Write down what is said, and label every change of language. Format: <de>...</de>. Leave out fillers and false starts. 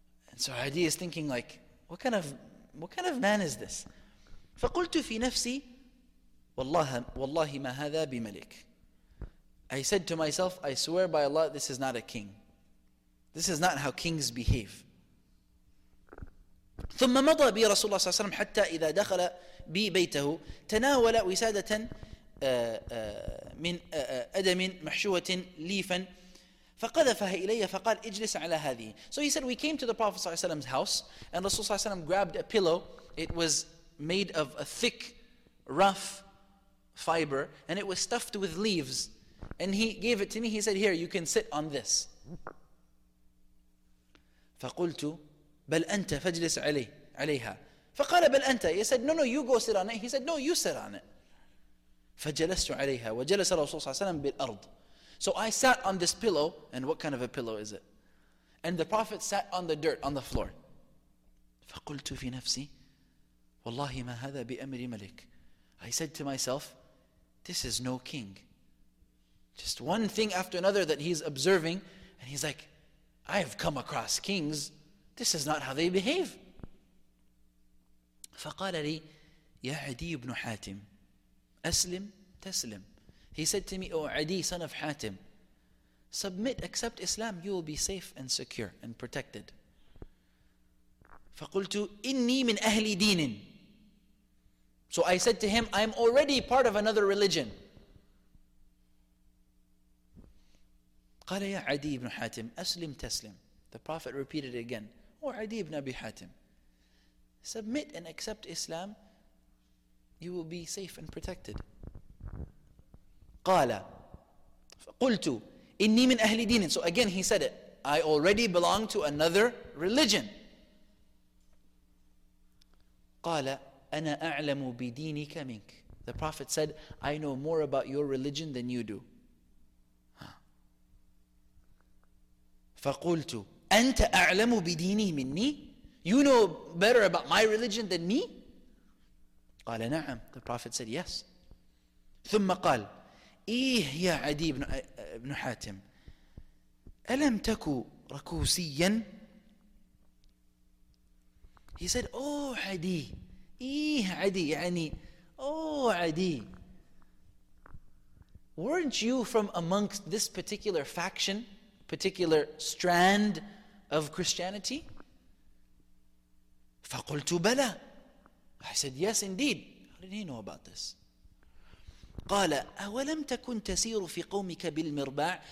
<en>And so Adi is thinking like, what kind of man is this?</en> <ar>فَقُلْتُ فِي نَفْسِي وَاللَّهِ مَا هَذَا بِمَلِكِ.</ar> <en>I said to myself, I swear by Allah, this is not a king. This is not how kings behave.</en> <ar>ثم مضى بي رسول الله صلى الله عليه وسلم حتى إذا دخل بي بيته تناول وسادة من أدم محشوة ليفا فقذفها إلي فقال اجلس على هذه.</ar> <en>So he said, we came to the Prophet صلى الله عليه وسلم's house and Rasul</en> <ar>صلى الله عليه وسلم</ar> <en>grabbed a pillow. It was made of a thick, rough fiber and it was stuffed with leaves. And he gave it to me. He said, here, you can sit on this.</en> <ar>فقلت بل أنت فاجلس عليها. فقال بل أنت.</ar> <en>He said, no, you go sit on it. He said, no, you sit on it.</en> <ar>فجلست عليها وجلس الرسول صلى الله عليه وسلم بالأرض.</ar> <en>So I sat on this pillow. And what kind of a pillow is it? And the Prophet sat on the dirt, on the floor.</en> <ar>فقلت في نفسي والله ما هذا بأمر ملك.</ar> <en>I said to myself, this is no king. Just one thing after another that he's observing. And he's like, I have come across kings. This is not how they behave.</en> <ar>فقال لي يا عدي بن حاتم أسلم تسلم.</ar> <en>He said to me, O Adi, son of Hatim, submit, accept Islam, you will be safe and secure and protected.</en> <ar>فقلت إني من أهل دين.</ar> <en>So I said to him, I'm already part of another religion.</en> <ar>قال يا عدي بن حاتم أسلم تسلم.</ar> <en>The Prophet repeated again, O Adi ibn Abi Hatim, submit and accept Islam, you will be safe and protected.</en> <ar>قال قلت إني من أهل دين.</ar> <en>So again he said it, I already belong to another religion.</en> <ar>قال أنا أعلم بدينك منك.</ar> <en>The Prophet said, I know more about your religion than you do.</en> <ar>فقلت أنت أعلم بديني مني.</ar> <en>You know better about my religion than me.</en> <ar>قال نعم.</ar> <en>The Prophet said yes.</en> <ar>ثم قال إيه يا عدي بن حاتم ألم تكو ركوسيا.</ar> <en>He said, oh عدي,</en> <ar>إيه عدي يعني</ar> <en>oh عدي, weren't you from amongst this particular faction, particular strand of Christianity?</en> <ar>فَقُلْتُ بَلَى.</ar> <en>I said, yes, indeed. How did he know about this?</en> <ar>قَالَ أَوَلَمْ تَكُنْ تَسِيرُ فِي قَوْمِكَ بِالْمِرْبَعِ.</ar>